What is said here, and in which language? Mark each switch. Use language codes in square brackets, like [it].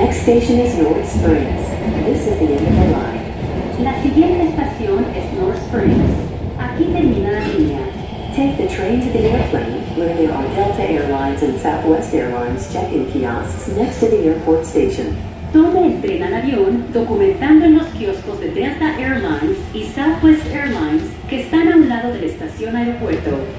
[en] Station is North Springs. This is the end of the line. [es] La siguiente estación es North Springs. Aquí termina la línea. [en] Take the train to the airplane, where there are Delta Airlines and Southwest Airlines check-in kiosks next to the airport station. [es] Tome el tren al avión, documentando en los kioscos de Delta Airlines y Southwest Airlines que están a un lado de la estación aeropuerto.